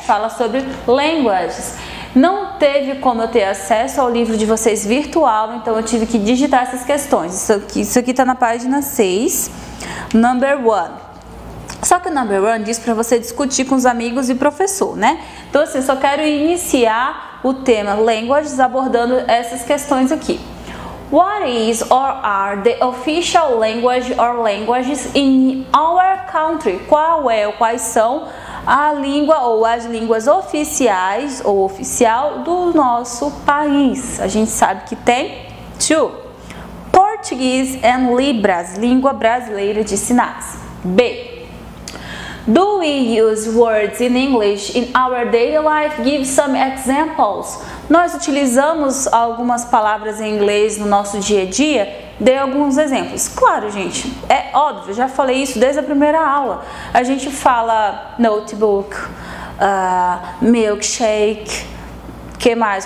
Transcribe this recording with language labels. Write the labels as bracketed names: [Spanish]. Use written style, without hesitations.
[Portuguese] Fala sobre languages. Não teve como eu ter acesso ao livro de vocês virtual, então eu tive que digitar essas questões. Isso aqui tá na página 6, number 1. Só que o number 1 diz pra você discutir com os amigos e professor, né? Então assim, eu só quero iniciar o tema languages abordando essas questões aqui. [English] What is or are the official language or languages in our country? [Portuguese] Qual é ou quais são a língua ou as línguas oficiais ou oficial do nosso país? A gente sabe que tem 2. [English] Portuguese and Libras, [Portuguese] língua brasileira de sinais. B. [English] Do we use words in English in our daily life? Give some examples. [Portuguese] Nós utilizamos algumas palavras em inglês no nosso dia a dia? Dê alguns exemplos. Claro, gente, é óbvio, já falei isso desde a primeira aula. A gente fala notebook, milkshake, que mais?